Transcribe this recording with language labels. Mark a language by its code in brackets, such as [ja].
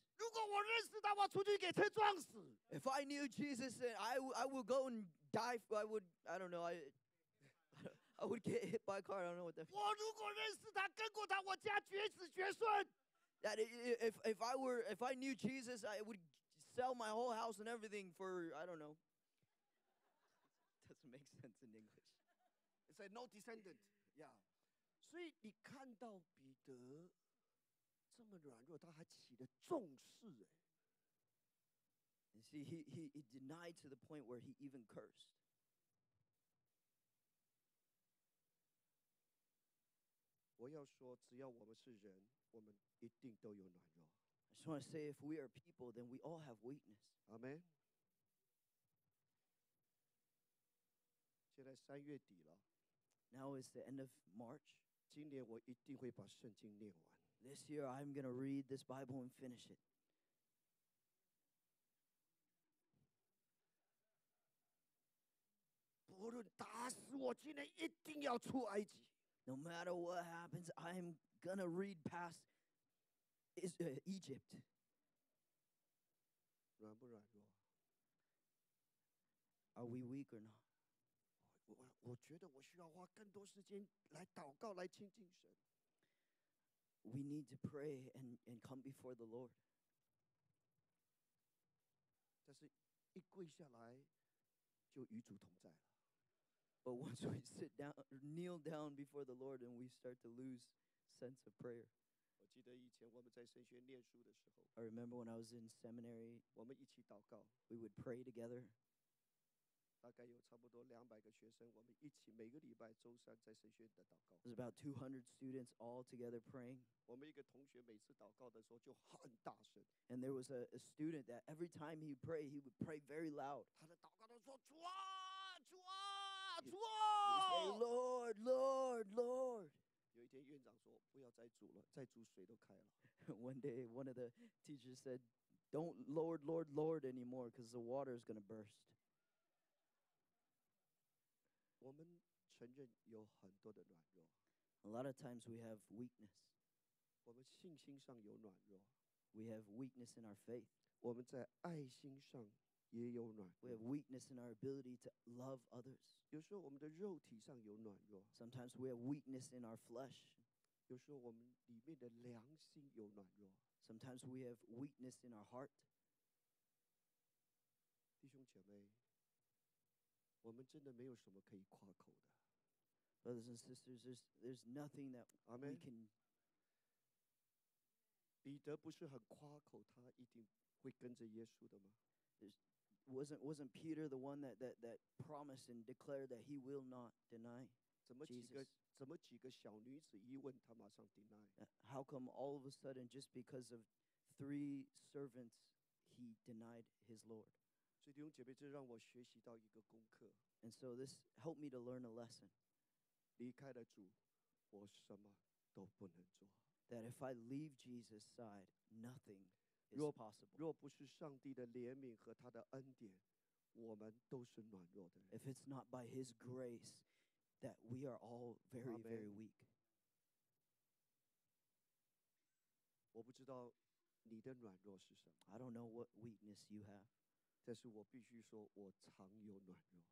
[zh] 如果我认识他，我出去给车撞死。 [en] If I knew Jesus, then I would go and die. I would get hit by a car. I don't know what that. [zh] 我如果认识他，跟过他，我家绝子绝孙。 [en] That if I knew Jesus, I would sell my whole house and everything for I don't know. Doesn't make sense in English. It's a no descendant, yeah. [zh] 所以你看到彼得这么软弱，他还起了重誓。 [en] You see, he denied to the point where he even cursed. [zh] 我要说，只要我们是人，我们一定都有软弱。 [en] I just want to say, if we are people, then we all have weakness. Amen. [zh] 现在三月底了。 [en] Now is the end of March. [zh] 今年我一定会把圣经念完。 [en] This year I'm going to read this Bible and finish it. [zh] 不论打死我，今年一定要出埃及。 [en] No matter what happens, I'm going to read past Egypt. [zh] 软不软弱？ [en] Are we weak or not? [zh] 我觉得我需要花更多时间来祷告，来亲近神。 [en] We need to pray and come before the Lord. [zh] 但是，一跪下来就与主同在了。 [en] But once we sit down, kneel down before the Lord, and we start to lose sense of prayer. [zh] 我记得以前我们在神学院念书的时候。 [en] I remember when I was in seminary. [zh] 我们一起祷告。 [en] We would pray together. [zh] 大概有差不多200个学生，我们一起每个礼拜周三在神学院的祷告。 [en] It's about 200 students all together praying. [zh] 我们一个同学每次祷告的时候就很大声。 [en] And there was a student that every time he prayed, he would pray very loud. [zh] 他的祷告都说主啊，主啊，主啊 [en] ！Lord, Lord, Lord. [zh] 有一天院长说不要再煮了，再煮水都开了。 [en] One day, one of the teachers said, "Don't Lord, Lord, Lord anymore, because the water is going to burst." [zh] 我们承认有很多的软弱。 [en] A lot of times we have weakness. [zh] 我们信心上有软弱。 [en] We have weakness in our faith. [zh] 我们在爱心上也有软弱。 [en] We have weakness in our ability to love others. [zh] 有时候我们的肉体上有软弱。 [en] Sometimes we have weakness in our flesh. [zh] 有时候我们里面的良心有软弱。 [en] Sometimes we have weakness in our heart. [zh] 弟兄姐妹。我们真的没有什么可以夸口的。 [en] Brothers and sisters, there's nothing that Amen. We can. [zh] 彼得不是很夸口，他一定会跟着耶稣的吗？ [en] Wasn't Peter the one that promised and declared that he will not deny Jesus? [zh] 怎么几个小女子一问，他马上 deny? [en] How come all of a sudden, just because of three servants, he denied his Lord? [zh] 所以弟兄姐妹，这让我学习到一个功课。 [en] And so this helped me to learn a lesson. [zh] 离开了主，我什么都不能做。 [en] That if I leave Jesus' side, nothing is possible. [zh] 若不是上帝的怜悯和他的恩典，我们都是软弱的人。 [en] If it's not by His grace, that we are all very, very weak. [zh] 我不知道你的软弱是什么。 [en] I don't know what weakness you have. [zh] 但是我必须说，我常有软弱。